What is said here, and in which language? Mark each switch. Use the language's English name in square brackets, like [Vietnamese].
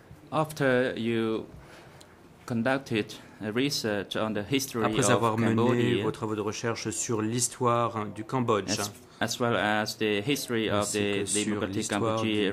[English] After you conducted a research on the history of Cambodia, [French] après avoir mené vos travaux de recherche sur l'histoire du Cambodge, [English] as well as the history of the democratic Cambodia